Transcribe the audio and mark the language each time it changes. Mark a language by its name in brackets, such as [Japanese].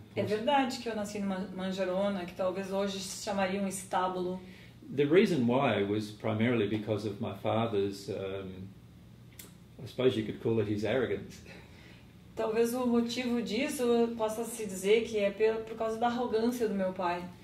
[Portuguese] É verdade que eu nasci numa manjerona, que talvez hoje se chamaria um estábulo. [English] The reason why was primarily because of my father's, I suppose you could call it his arrogance. [Portuguese] Talvez o motivo disso possa se dizer que é por causa da arrogância do meu pai.